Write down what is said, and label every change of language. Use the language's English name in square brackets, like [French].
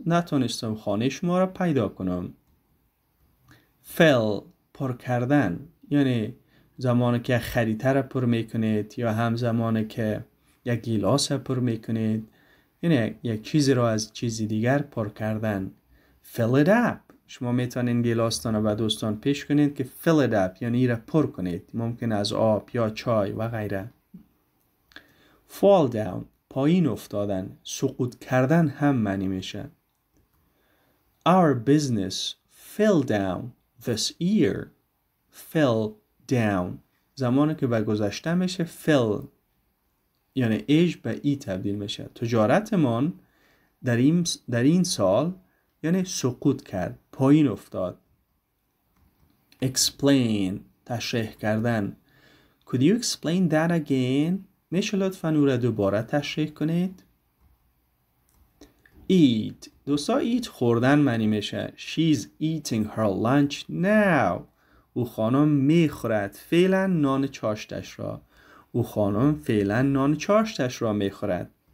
[Persian] نتونستم خانه شما را پیدا کنم. Fill پر کردن، یعنی زمانی که خریطه را پر میکنید یا هم زمانی که یک گیلاس را پر میکنید، یعنی یک چیز را از چیزی دیگر پر کردن. [English] Fill it up. [Persian] شما میتونین گلاستان رو به دوستان پیش کنید که [English] fill it up، [Persian] یعنی ایره پر کنید، ممکن از آب یا چای و غیره. Fall down پایین افتادن، سقوط کردن هم معنی میشه. [English] Our business fell down this year. [Persian] Fell down زمانی که به گذشته میشه، fell یعنی age به ای تبدیل میشه. تجارتمون در این سال یعنی سقوط کرد، پایین افتاد. Explain تشریح کردن. [English] Could you explain that again؟ [Persian] میشه لطفاً او را دوباره تشریح کنید؟ Eat دوستا eat خوردن معنی میشه. [English] She's eating her lunch now. [Persian] او خانم میخورد فعلاً نان چاشتش را. او خانم فعلاً نان چاشتش را میخورد.